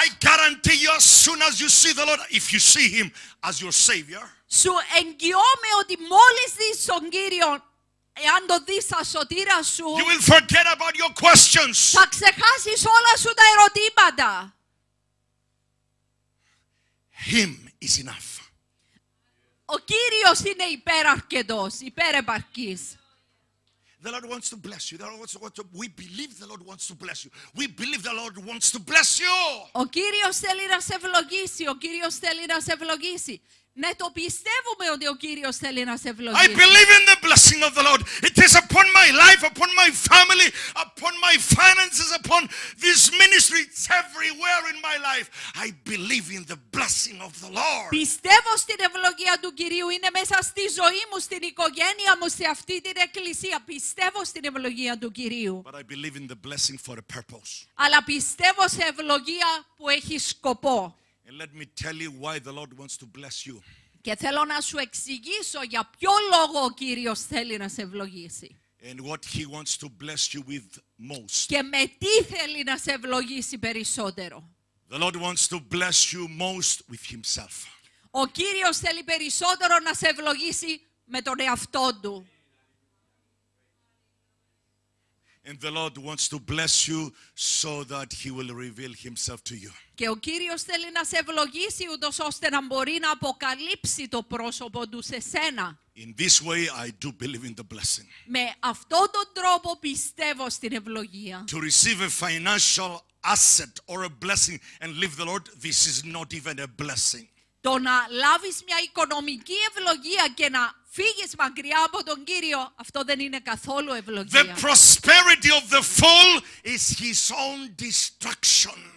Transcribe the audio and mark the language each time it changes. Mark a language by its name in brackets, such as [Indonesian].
[English] I guarantee you, as soon as you see the Lord, if you see him as your Savior, [Greek] σου εγγυώμαι ότι μόλις δεις τον Κύριο, εάν το δεις σαν σωτήρα σου, [English] you will forget about your questions. [Greek] Θα ξεχάσεις όλα σου τα ερωτήματα. [English] Him is enough. [Greek] Ο Κύριος είναι υπεραρκετός, υπερεπαρκής. [English] The Lord wants to bless you. We believe the Lord wants to bless you. We believe the Lord wants to bless you. [Greek] Ο Κύριος θέλει να σε ευλογήσει. Ο Κύριος θέλει να σε ευλογήσει. Ναι, το πιστεύουμε ότι ο Κύριος θέλει να σε ευλογήσει. [English] I believe in the blessing of the Lord. It is upon my life, upon my family, upon my finances, upon this ministry. It's everywhere in my life. I believe in the blessing of the Lord. [Greek] Πιστεύω στην ευλογία του Κυρίου. Είναι μέσα στη ζωή μου, στην οικογένεια μου, σε αυτή την εκκλησία. Πιστεύω στην ευλογία του Κυρίου. [English] But I believe in the blessing for a purpose. [Greek] Αλλά πιστεύω σε ευλογία που έχει σκοπό. [English] And let me tell you why the Lord wants to bless you. [Greek] Και θέλω να σου εξηγήσω για ποιο λόγο ο Κύριος θέλει να σε ευλογήσει. [English] And what he wants to bless you with most. [Greek] Και με τι θέλει να σε ευλογήσει περισσότερο. [English] The Lord wants to bless you most with himself. [Greek] Ο Κύριος θέλει περισσότερο να σε ευλογήσει με τον εαυτό του. [English] And the Lord wants to bless you so that he will reveal himself to you. [Greek] Και ο Κύριος θέλει να σε ευλογήσει ούτως ώστε να μπορεί να αποκαλύψει το πρόσωπο του σε σένα. [English] In this way I do believe in the blessing. [Greek] Με αυτόν τον τρόπο πιστεύω στην ευλογία. [English] To receive a financial asset or a blessing and leave the Lord, this is not even a blessing. [Greek] Το να λάβεις μια οικονομική ευλογία και να φύγεις μακριά από τον Κύριο, αυτό δεν είναι καθόλου ευλογία. [English] The prosperity of the fool is his own destruction.